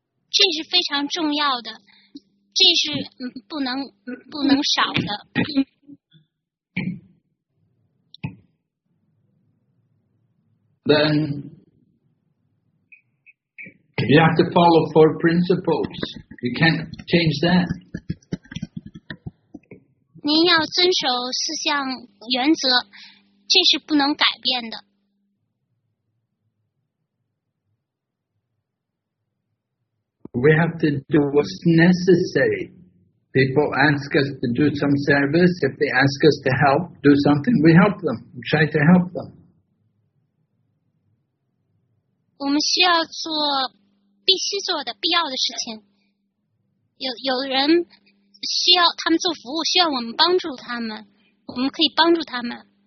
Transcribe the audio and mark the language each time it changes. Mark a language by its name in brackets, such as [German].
[Chinese] 这是非常重要的，这是不能少的。 [English] Then you have to follow four principles. You can't change that. [Chinese] 您要遵守四项原则，这是不能改变的。 [English] We have to do what's necessary. People ask us to do some service. If they ask us to help do something, we help them. We try to help them. [Chinese] 我们需要做必须做的必要的事情。有人需要他们做服务，需要我们帮助他们，我们可以帮助他们。